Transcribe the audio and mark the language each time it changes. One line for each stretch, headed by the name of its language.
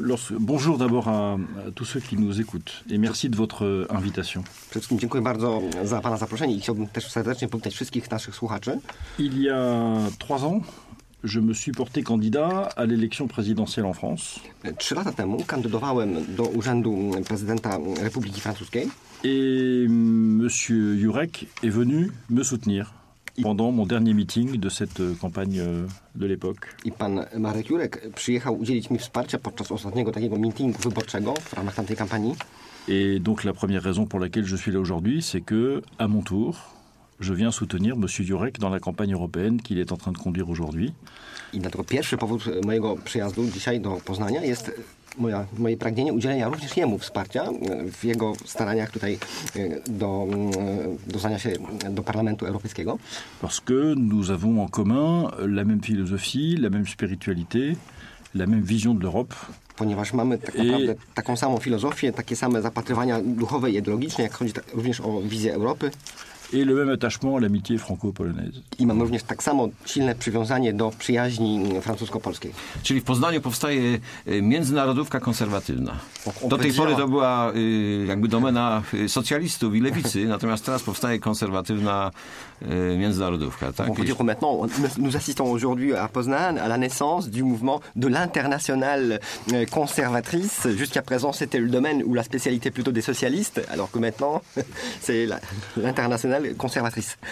French: Bonjour d'abord à tous ceux qui nous écoutent et merci de votre invitation.
Polish: Przede wszystkim dziękuję bardzo za pana zaproszenie i chciałbym też serdecznie powitać wszystkich naszych słuchaczy.
French: Il y a 3 ans, je me suis porté candidat à l'élection présidentielle en France.
Polish: 3 lata temu kandydowałem do urzędu prezydenta Republiki Francuskiej.
French: Et monsieur Jurek est venu me soutenir pendant mon dernier meeting de cette campagne de l'époque.
Polish: I pan Marek Jurek przyjechał udzielić mi wsparcia podczas ostatniego takiego meetingu wyborczego w ramach tamtej kampanii.
French: Et donc la première raison pour laquelle je suis là aujourd'hui, c'est que à mon tour, je viens soutenir monsieur Jurek dans la campagne européenne qu'il est en train de conduire aujourd'hui.
Polish: I dlatego pierwszy powód mojego przyjazdu dzisiaj do Poznania jest moje pragnienie udzielenia również jemu wsparcia w jego staraniach tutaj do znania się do Parlamentu Europejskiego.
French: Parce que nous avons en commun la même philosophie, la même spiritualité, la même vision de l'Europe.
Polish: Ponieważ mamy tak naprawdę taką samą filozofię, takie same zapatrywania duchowe i ideologiczne, jak chodzi również o wizję Europy.
French: Et le même attachement à l'amitié franco-polonaise.
Polish: I mamy również tak samo silne przywiązanie do przyjaźni francusko-polskiej. Czyli w Poznaniu powstaje międzynarodówka konserwatywna. Do tej pory to była jakby domena socjalistów i lewicy, natomiast teraz powstaje konserwatywna międzynarodówka, tak?
French: On peut dire que maintenant nous assistons aujourd'hui à Poznań à la naissance du mouvement de l'internationale conservatrice. Jusqu'à présent, c'était le domaine ou la spécialité plutôt des socialistes, alors que maintenant c'est l'internationale konserwatrice.